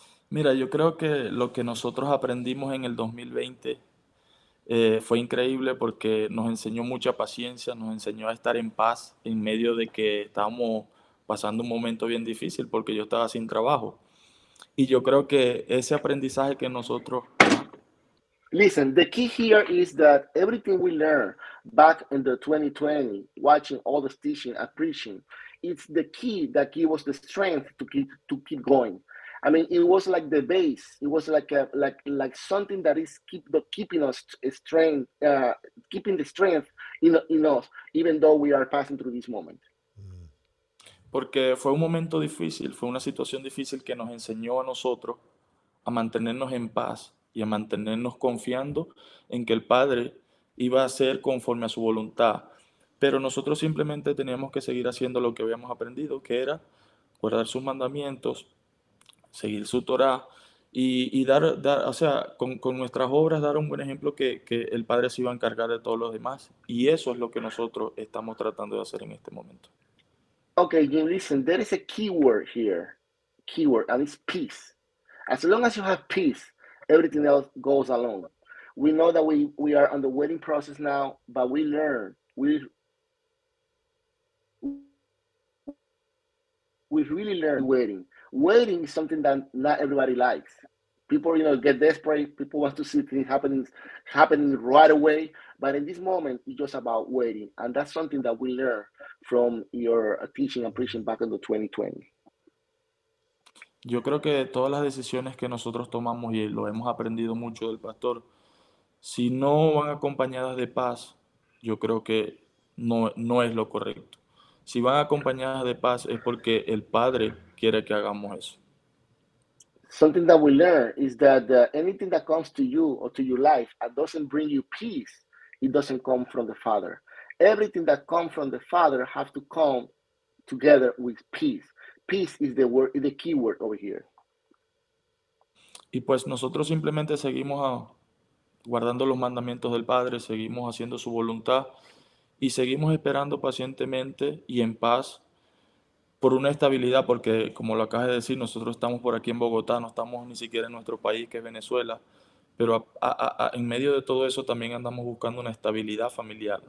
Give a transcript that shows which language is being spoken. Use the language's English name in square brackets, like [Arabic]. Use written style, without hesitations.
[Spanish] Mira, yo creo que lo que nosotros aprendimos en el 2020 fue increíble porque nos enseñó mucha paciencia, nos enseñó a estar en paz en medio de que estábamos pasando un momento bien difícil porque yo estaba sin trabajo. Y yo creo que ese aprendizaje que nosotros... [English] Listen, the key here is that everything we learned back in the 2020, watching all the teaching and preaching, it's the key that gave us the strength to keep going. I mean, it was like the base. It was like something that is keeping the strength in us, even though we are passing through this moment. [Spanish] Porque fue un momento difícil, fue una situación difícil que nos enseñó a nosotros a mantenernos en paz y a mantenernos confiando en que el Padre iba a hacer conforme a su voluntad. Pero nosotros simplemente teníamos que seguir haciendo lo que habíamos aprendido, que era guardar sus mandamientos, seguir su Torá y dar, o sea, con nuestras obras dar un buen ejemplo que el Padre se iba a encargar de todos los demás. Y eso es lo que nosotros estamos tratando de hacer en este momento. [English] Okay, Jim, listen, there is a keyword here, and it's peace. As long as you have peace, everything else goes along. We know that we are on the waiting process now, but we learn. We really learn waiting. Waiting is something that not everybody likes. People, you know, get desperate. People want to see things happening right away. But in this moment, it's just about waiting. And that's something that we learned from your teaching and preaching back in the 2020. [Spanish] Yo creo que todas las decisiones que nosotros tomamos, y lo hemos aprendido mucho del pastor, si no van acompañadas de paz, yo creo que no es lo correcto. Si van acompañadas de paz, es porque el Padre quiere que hagamos eso. [English] Something that we learn is that anything that comes to you or to your life and doesn't bring you peace, it doesn't come from the Father. Everything that comes from the Father has to come together with peace. Peace is the word, the key word over here. [Spanish] Y pues nosotros simplemente seguimos guardando los mandamientos del Padre, seguimos haciendo su voluntad y seguimos esperando pacientemente y en paz por una estabilidad, porque como lo acabas de decir, nosotros estamos por aquí en Bogotá, no estamos ni siquiera en nuestro país, que es Venezuela, pero en medio de todo eso también andamos buscando una estabilidad familiar.